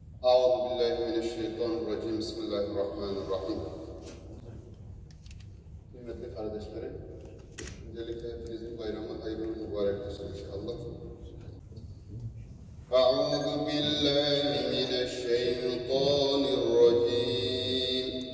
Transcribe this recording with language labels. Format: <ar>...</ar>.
<ar>أعوذ بالله من الشيطان الرجيم بسم الله الرحمن الرحيم.</ar> <tr>Kıymetli kardeşlerim, öncelikle hepinizin bayramı hayırlı mübarek olsun inşallah.</tr> <ar>أعوذ بالله من الشيطان الرجيم.</ar>